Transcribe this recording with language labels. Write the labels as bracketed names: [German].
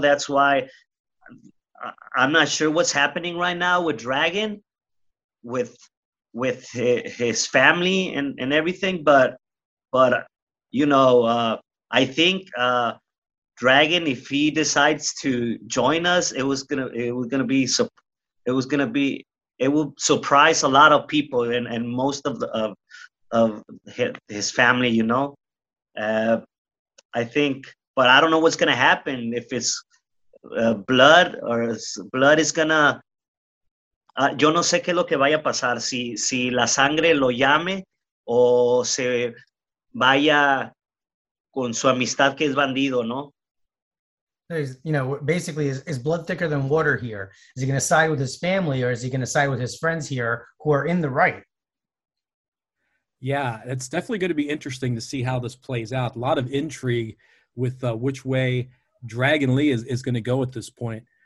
[English] That's why I'm not sure what's happening right now with Dragon, with his family and everything, but you know, I think Dragon, if he decides to join us, it will surprise a lot of people and most of his family, you know. I think, but I don't know what's gonna happen, if it's blood is gonna. [Spanish] Yo no sé qué es lo que vaya a pasar, si la sangre lo llame o se vaya con su amistad que es Bandido, ¿no? [English] You know, basically, is blood thicker than water here? Is he going to side with his family, or is he going to side with his friends here who are in the right? Yeah, it's definitely going to be interesting to see how this plays out. A lot of intrigue with which way Dragon Lee is going to go at this point.